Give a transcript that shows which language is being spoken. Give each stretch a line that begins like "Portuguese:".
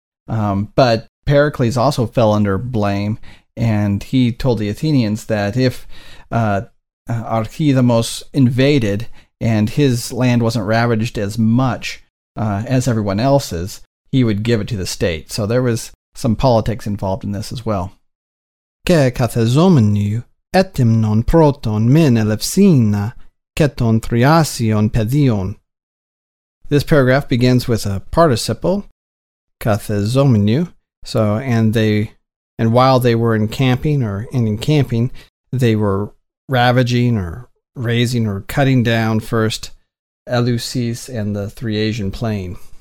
English: But Pericles also fell under blame, and he told the Athenians that if Archidamos invaded and his land wasn't ravaged as much as everyone else's, he would give it to the state. So there was some politics involved in this as well.
Greek: Και καθεζόμενοι έτιμνον πρώτον μεν ελευσίνα και των θριάσιων παιδίων.
English: This paragraph begins with a participle, καθεζόμενοι. So, and while they were encamping, they were ravaging or raising or cutting down first Eleusis and the Thriasian plain.